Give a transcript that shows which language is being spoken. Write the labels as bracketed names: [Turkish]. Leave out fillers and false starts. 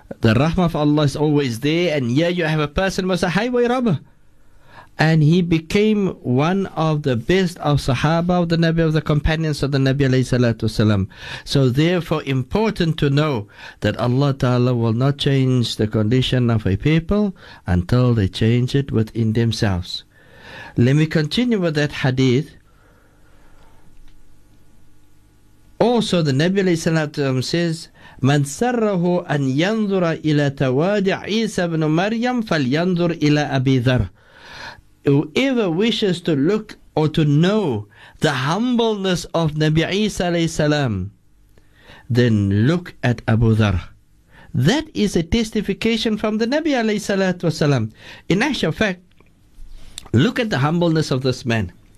[English] The rahmah of Allah is always there, and here you have a person who was a highway robber, and he became one of the best of Sahaba of the Nabi, of the companions of the Nabi alayhi salatu wasalam. So therefore, important to know that Allah Ta'ala will not change the condition of a people until they change it within themselves. Let me continue with that hadith. Also, the Nabi alayhi salatu wasalam says, [Arabic] من سره أن ينظر إلى توادع عيسى بن مريم فلينظر إلى أبي ذر. [English] Whoever wishes to look or to know the humbleness of Nabi Isa alayhi salam, then look at Abu Dharr. That is a testification from the Nabi alayhi salatu wasalam. In actual fact, look at the humbleness of this man.